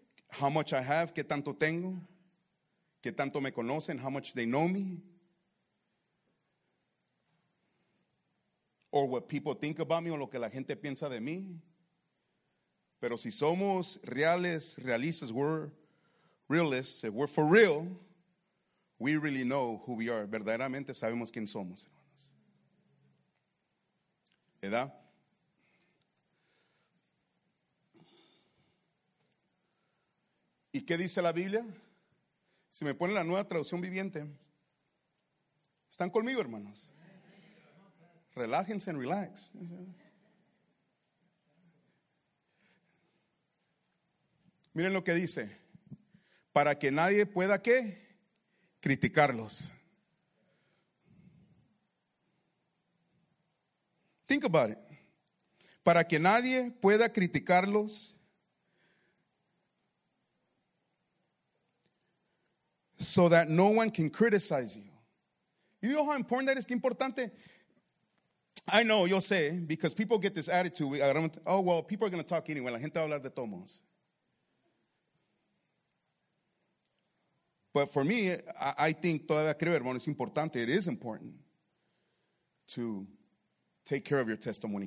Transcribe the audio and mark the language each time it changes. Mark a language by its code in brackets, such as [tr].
[en] How much I have, [es] qué tanto tengo, qué tanto me conocen, [en] how much they know me. Or what people think about me, [es] o lo que la gente piensa de mí. Pero si somos reales, realistas, [en] we're realists, if we're for real, we really know who we are. [es] Verdaderamente sabemos quién somos, hermanos. ¿Edad? ¿Y qué dice la Biblia? Si me ponen la nueva traducción viviente, están conmigo, hermanos. Relájense [en] and relax. [es] Miren lo que dice. Para que nadie pueda, ¿qué? Criticarlos. [en] Think about it. [es] Para que nadie pueda criticarlos. [en] So that no one can criticize you. You know how important that is? [es] Qué importante. [en] I know, [es] yo sé, [en] because people get this attitude. People are going to talk anyway. [es] La gente va a hablar de tomos. [en] But for me, I think, [es] todavía creo, hermano, es importante. [en] It is important to take care of your testimony.